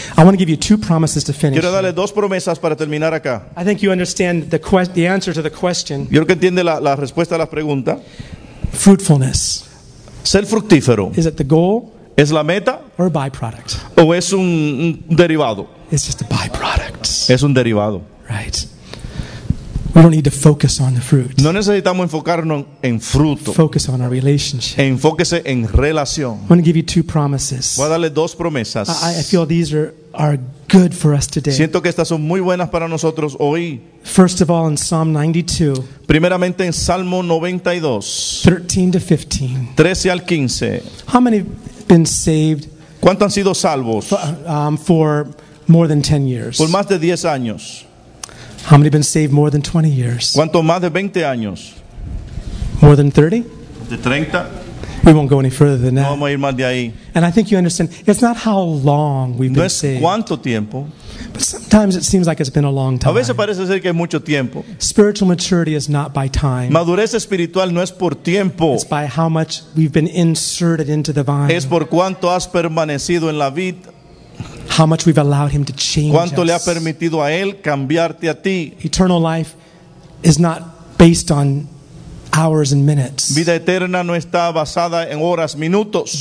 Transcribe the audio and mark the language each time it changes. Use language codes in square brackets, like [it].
[en] I want to give you two promises to finish. [es] Quiero darle dos promesas para terminar acá. [en] I think you understand the answer to the question. [es] Yo creo que entiende la respuesta a la pregunta. [en] Fruitfulness. [es] Ser fructífero. [en] Is it the goal? [es] ¿Es la meta? [en] Or a byproduct? [es] ¿O es un derivado? [en] It's just a byproduct. [es] Es un derivado. [en] Right. We don't need to focus on the fruit. [es] No necesitamos enfocarnos en fruto. [en] Focus on our relationship. [es] Enfóquese en relación. [en] I'm going to give you two promises. [es] Voy a darle dos promesas. [en] I feel these are good for us today. [es] Siento que estas son muy buenas para nosotros hoy. [en] First of all, in Psalm 92. [es] Primeramente en Salmo 92. [en] 13 to 15. [es] 13 al 15. [en] How many have been saved? [es] ¿Cuántos han sido salvos? [en] For more than 10 years. [es] Por más de 10 años. [en] How many have been saved more than 20 years? [es] ¿Cuánto más de 20 años? [en] More than 30? [es] De 30. [en] We won't go any further than that. [es] No vamos a ir más de ahí. [en] And I think you understand, it's not how long we've [es] no [en] been saved. [es] No es cuánto tiempo. [en] But sometimes it seems like it's been a long time. [es] A veces parece ser que es mucho tiempo. [en] Spiritual maturity is not by time. [es] Madurez espiritual no es por tiempo. [en] It's by how much we've been inserted into the vine. [es] Es por cuánto has permanecido en la vid. [en] How much we've allowed him to change [es] ¿cuánto [en] us. [es] Le ha permitido a él cambiarte a ti? [en] Eternal life is not based on hours and minutes. [es] Vida eterna no está basada en horas, minutos.